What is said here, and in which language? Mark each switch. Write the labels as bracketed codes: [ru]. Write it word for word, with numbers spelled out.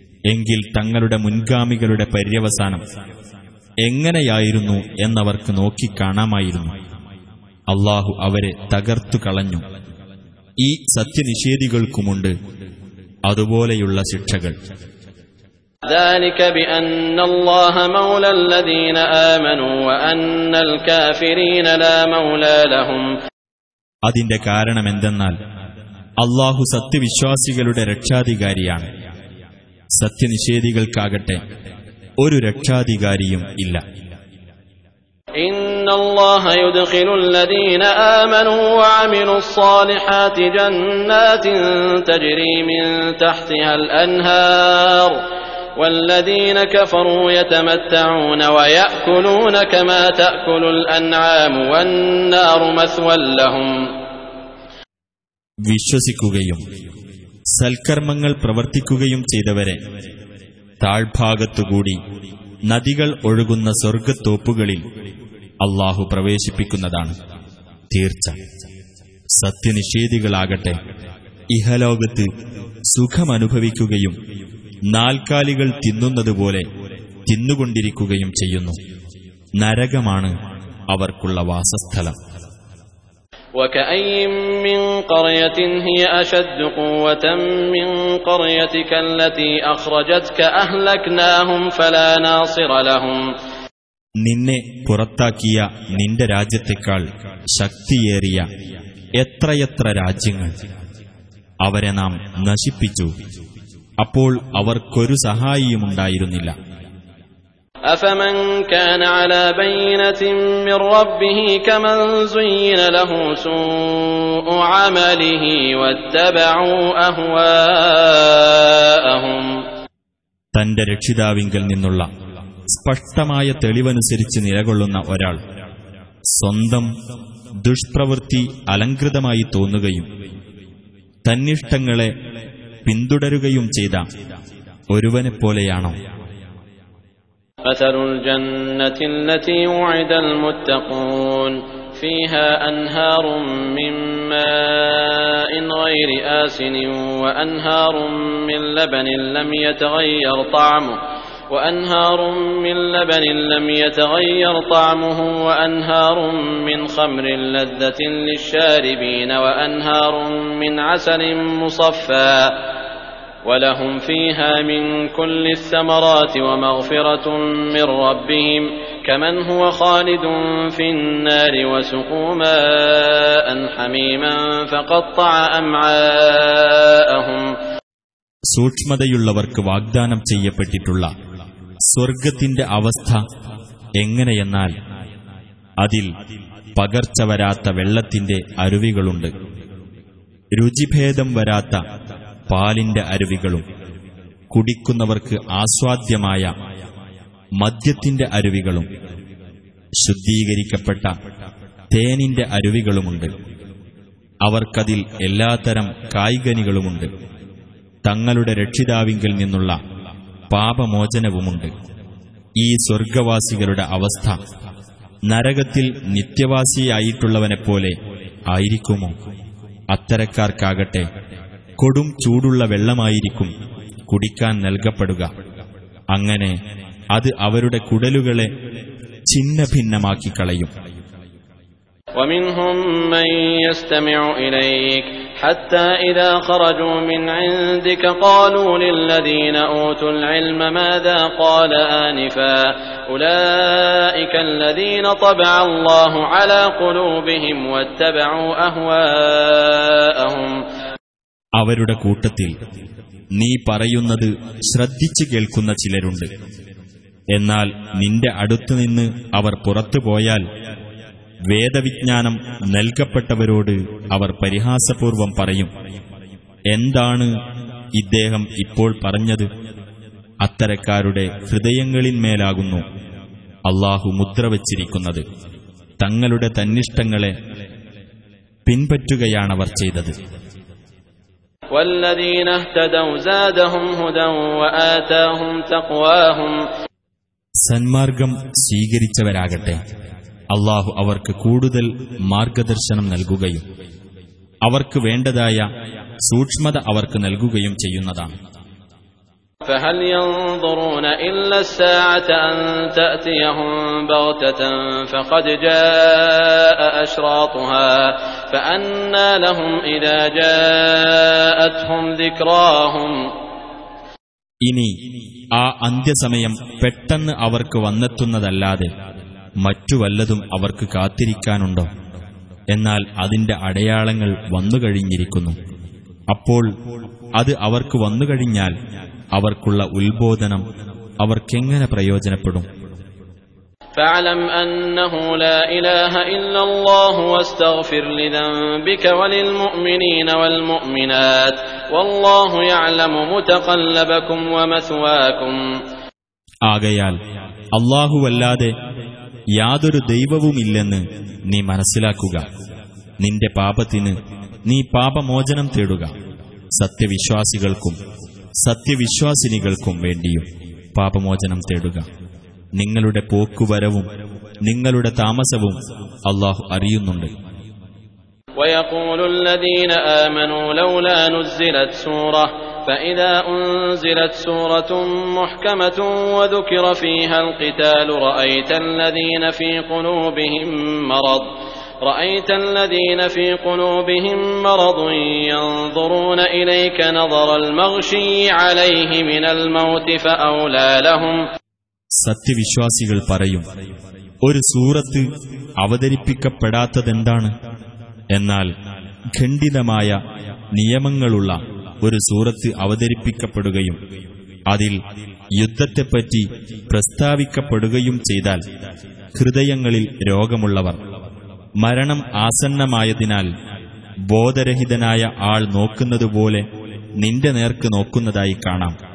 [ml] എങ്കിൽ തങ്ങളുടെ മുൻഗാമികളുടെ പര്യവസാനം എങ്ങനെയായിരുന്നു എന്നവർക്ക് നോക്കിക്കാണാമായിരുന്നു. അള്ളാഹു അവരെ തകർത്തു കളഞ്ഞു. ഈ സത്യനിഷേധികൾക്കുമുണ്ട് അതുപോലെയുള്ള ശിക്ഷകൾ. [ar] ذلك بأن الله مولى الذين آمنوا وأن الكافرين لا مولى لهم. [ml] അതിന്റെ കാരണം എന്തെന്നാൽ അല്ലാഹു സത്യവിശ്വാസികളുടെ രക്ഷാധികാരിയാണ്. സത്യനിഷേധികൾക്കാകട്ടെ ഒരു രക്ഷാധികാരിയും ഇല്ല. [ar] إن الله يدخل الذين آمنوا وعملوا الصالحات جنات تجري من تحتها الأنهار والذين كفروا يتمتعون ويأكلون كما تأكل الأنعام والنار مثوى لهم. [ml] വിശ്വസിക്കുകയും സൽക്കർമ്മങ്ങൾ പ്രവർത്തിക്കുകയും ചെയ്തവരെ താഴ്ഭാഗത്തുകൂടി നദികൾ ഒഴുകുന്ന സ്വർഗത്തോപ്പുകളിൽ അല്ലാഹു പ്രവേശിപ്പിക്കുന്നതാണ്. തീർച്ച സത്യനിഷേധികളാകട്ടെ ഇഹലോകത്ത് സുഖമനുഭവിക്കുകയും നാൽക്കാലികൾ തിന്നുന്നതുപോലെ തിന്നുകൊണ്ടിരിക്കുകയും ചെയ്യുന്നു. നരകമാണ് അവർക്കുള്ള വാസസ്ഥലം. [ar] وكأي من قرية هي أشد قوة من قريتك التي أخرجتك أهلكناهم فلا ناصر لهم. [ml] നിന്നെ പുറത്താക്കിയ നിന്റെ രാജ്യത്തേക്കാൾ ശക്തിയേറിയ എത്രയെത്ര രാജ്യങ്ങൾ, അവരെ നാം നശിപ്പിച്ചു. അപ്പോൾ അവർക്കൊരു സഹായിയുമുണ്ടായിരുന്നില്ല. [ar] أفمن كان على بينة من ربه كمن زين له سوء عمله واتبعوا أهواءهم. [ml] തന്റെ രക്ഷിതാവിങ്കിൽ നിന്നുള്ള സ്പഷ്ടമായ തെളിവനുസരിച്ച് നിലകൊള്ളുന്ന ഒരാൾ സ്വന്തം ദുഷ്പ്രവൃത്തി അലങ്കൃതമായി തോന്നുകയും തന്നിഷ്ടങ്ങളെ പിന്തുടരുകയും ചെയ്ത ഒരുവനെപ്പോലെയാണോ? [ar] مثل الجنة التي وعد المتقون فيها أنهار من ماء غير آسن وأنهار من لبن لم يتغير طعمه وأنهار من لبن لم يتغير طعمه وأنهار من خمر لذة للشاربين وأنهار من عسل مصفى ولهم فيها من كل الثمرات ومغفرة من ربهم كمن هو خالد في النار وسقوا ماء حميما فقطع أمعاءهم. [ml] സൂക്ഷ്മതയുള്ളവർക്ക് വാഗ്ദാനം ചെയ്യപ്പെട്ടിട്ടുള്ള സ്വർഗത്തിന്റെ അവസ്ഥ എങ്ങനെയെന്നാൽ അതിൽ പകർച്ച വരാത്ത വെള്ളത്തിന്റെ അരുവികളുണ്ട്, രുചിഭേദം വരാത്ത പാലിന്റെ അരുവികളും കുടിക്കുന്നവർക്ക് ആസ്വാദ്യമായ മദ്യത്തിന്റെ അരുവികളും ശുദ്ധീകരിക്കപ്പെട്ട തേനിന്റെ അരുവികളുമുണ്ട്. അവർക്കതിൽ എല്ലാത്തരം കായ്കനികളുമുണ്ട്. തങ്ങളുടെ രക്ഷിതാവിങ്കിൽ നിന്നുള്ള പാപമോചനവുമുണ്ട്. ഈ സ്വർഗവാസികളുടെ അവസ്ഥ നരകത്തിൽ നിത്യവാസിയായിട്ടുള്ളവനെപ്പോലെ ആയിരിക്കുമോ? അത്തരക്കാർക്കാകട്ടെ കൊടും ചൂടുള്ള വെള്ളമായിരിക്കും കുടിക്കാൻ നൽകപ്പെടുക. അങ്ങനെ അത് അവരുടെ കുടലുകളെ ഛിന്ന ഭിന്നമാക്കി കളയും. [ar] ومنهم من يستمع إليك حتى إذا خرجوا من عندك قالوا للذين أوتوا العلم ماذا قال آنفا أولئك الذين طبع الله على قلوبهم واتبعوا أهواءهم. [ml] അവരുടെ കൂട്ടത്തിൽ നീ പറയുന്നത് ശ്രദ്ധിച്ചു കേൾക്കുന്ന ചിലരുണ്ട്. എന്നാൽ നിന്റെ അടുത്തുനിന്ന് അവർ പുറത്തു പോയാൽ വേദവിജ്ഞാനം നൽകപ്പെട്ടവരോട് അവർ പരിഹാസപൂർവം പറയും, എന്താണ് ഇദ്ദേഹം ഇപ്പോൾ പറഞ്ഞത്? അത്തരക്കാരുടെ ഹൃദയങ്ങളിന്മേലാകുന്നു അല്ലാഹു മുദ്രവച്ചിരിക്കുന്നത്. തങ്ങളുടെ തന്നിഷ്ടങ്ങളെ പിൻപറ്റുകയാണവർ ചെയ്തത്. [ar] والذين اهتدوا زادهم هدى وآتاهم تقواهم. [ml] സന്മാർഗം സ്വീകരിച്ചവരാകട്ടെ അല്ലാഹു അവർക്ക് കൂടുതൽ മാർഗദർശനം നൽകുകയും അവർക്ക് വേണ്ടതായ സൂക്ഷ്മത അവർക്ക് നൽകുകയും ചെയ്യുന്നതാണ്. [ar] فهل ينظرون إلا الساعة أن تأتيهم بغتة فقد جاء أشراطها فأنى لهم إذا جاءتهم ذكراهم. [ml] ഇനി ആ അന്ത്യസമയം പെട്ടെന്ന് അവർക്ക് വന്നെത്തുന്നതല്ലാതെ മറ്റു വല്ലതും അവർക്ക് കാത്തിരിക്കാനുണ്ടോ? എന്നാൽ അതിന്റെ അടയാളങ്ങൾ വന്നുകഴിഞ്ഞിരിക്കുന്നു. അപ്പോൾ അത് അവർക്ക് വന്നുകഴിഞ്ഞാൽ അവർക്കുള്ള ഉത്ബോധനം അവർക്കെങ്ങനെ പ്രയോജനപ്പെടും? [ar] فاعلم أنه لا إله إلا الله واستغفر لذنبك وللمؤمنين والمؤمنات والله يعلم متقلبكم ومثواكم. [ml] ആകയാൽ അല്ലാഹുവല്ലാതെ യാതൊരു ദൈവവുമില്ലെന്ന് നീ മനസ്സിലാക്കുക. നിന്റെ പാപത്തിന് നീ പാപമോചനം തേടുക. സത്യവിശ്വാസികൾക്കും സത്യവിശ്വാസിനികൾക്കും വേണ്ടിയും പാപമോചനം തേടുക. നിങ്ങളുടെ പോക്കുവരവും നിങ്ങളുടെ താമസവും അല്ലാഹു അറിയുന്നുണ്ട്. [ar] ويقول الذين آمنوا لولا نزلت سورة فإذا أنزلت سورة محكمة وذكر فيها القتال رأيت الذين في قلوبهم مرض رأيت الذين في قلوبهم مرض ينظرون إليك نظر المغشي عليه من الموت فأولى لهم. [ml] സത്യവിശ്വാസികൾ പറയും, ഒരു സൂറത്ത് അവതരിപ്പിക്കപ്പെടാത്തതെന്താണ്? എന്നാൽ ഖണ്ഡിതമായ നിയമങ്ങളുള്ള ഒരു സൂറത്ത് അവതരിപ്പിക്കപ്പെടുകയും അതിൽ യുദ്ധത്തെപ്പറ്റി പ്രസ്താവിക്കപ്പെടുകയും ചെയ്താൽ ഹൃദയങ്ങളിൽ രോഗമുള്ളവർ മരണം ആസന്നമായതിനാൽ ബോധരഹിതനായ ആൾ നോക്കുന്നതുപോലെ നിന്റെ നേർക്ക് നോക്കുന്നതായി കാണാം.